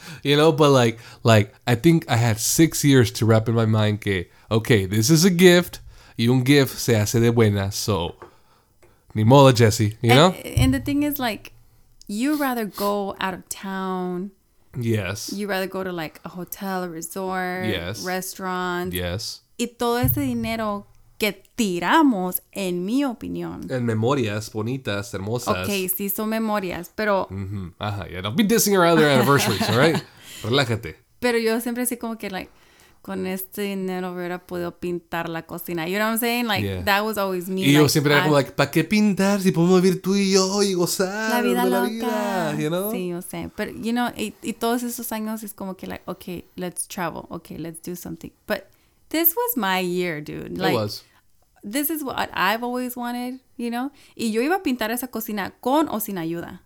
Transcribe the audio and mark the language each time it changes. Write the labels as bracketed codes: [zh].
[en] You know, but like, I think I had 6 years to wrap in my mind [es] que, [en] okay, this is a gift. [es] Y un gift se hace de buena, so ni modo, Jesse, you know? [en] And the thing is, like, you'd rather go out of town. Yes. You'd rather go to, like, a hotel, a resort. Yes. Restaurant. Yes. [es] Y todo ese dinero que tiramos, en mi opinión. En memorias bonitas, hermosas. Okay, sí, son memorias, pero... Mm-hmm. [en] Ajá, yeah, don't be dissing around their anniversaries, all right? [es] Relájate. Pero yo siempre así como que, like, con este dinero hubiera podido pintar la cocina. [en] You know what I'm saying? Like, yeah. That was always me. [es] Y yo like, siempre era como, like, ¿para qué pintar si podemos vivir tú y yo y gozar la vida de loca. La vida? [en] You know? [es] Sí, yo sé. Pero, you know, y todos esos años es como que, like, [en] okay, let's travel. Okay, let's do something. But this was my year, dude. Like, it was. This is what I've always wanted, you know? [es] Y yo iba a pintar esa cocina con o sin ayuda.